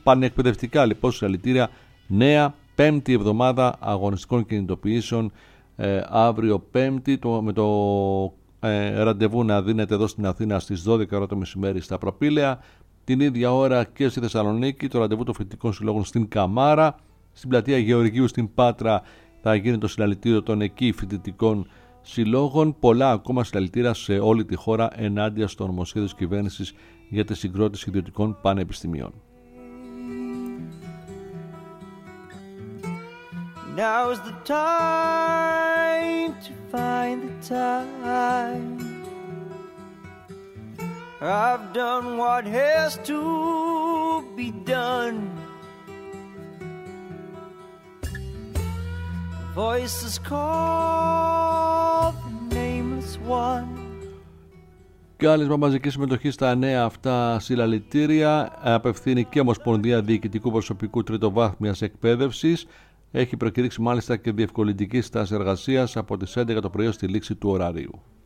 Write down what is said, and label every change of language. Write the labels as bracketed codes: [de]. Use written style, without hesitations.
[el] Πανεκπαιδευτικά λοιπόν συλλαλητήρια, νέα πέμπτη εβδομάδα αγωνιστικών κινητοποιήσεων αύριο Πέμπτη, με το ραντεβού να δίνεται εδώ στην Αθήνα στις 12 ώρα το μεσημέρι στα Προπήλαια, την ίδια ώρα και στη Θεσσαλονίκη το ραντεβού των φοιτητικών συλλόγων στην Καμάρα, στην πλατεία Γεωργίου στην Πάτρα θα γίνει το συλλαλητήριο των εκεί φοιτητικών συλλόγων. Πολλά ακόμα συλλαλητήρια σε όλη τη χώρα ενάντια στο νομοσχέδιο της κυβέρνησης για τη συγκρότηση ιδιωτικών πανεπιστημίων. [en] Now's the time to find the time. I've done what has to be done. Voices call the nameless one. [el] Κάλεσμα μαζική συμμετοχή στα νέα αυτά συλλαλητήρια απευθύνει και Ομοσπονδία Διοικητικού Προσωπικού Τριτοβάθμιας Εκπαίδευσης. Έχει προκηρύξει μάλιστα και διευκολυντική στάση εργασίας από τις 11 το πρωί στη λήξη του ωραρίου.